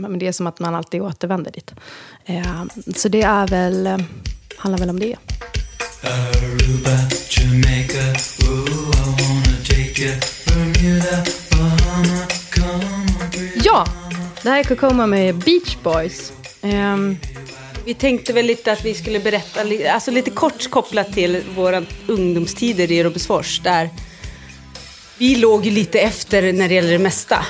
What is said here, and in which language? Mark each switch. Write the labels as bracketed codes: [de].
[sv] Men det är som att man alltid återvänder dit. Så det är väl, handlar väl om det. [en] Aruba, Jamaica, ooh, I wanna take you. Bermuda, Bahama, come on, [sv] ja, det här är Kokoma med Beach Boys. Vi tänkte väl lite att vi skulle berätta, alltså lite kort kopplat till våra ungdomstider i Robertsfors, där vi låg ju lite efter när det gäller det mesta.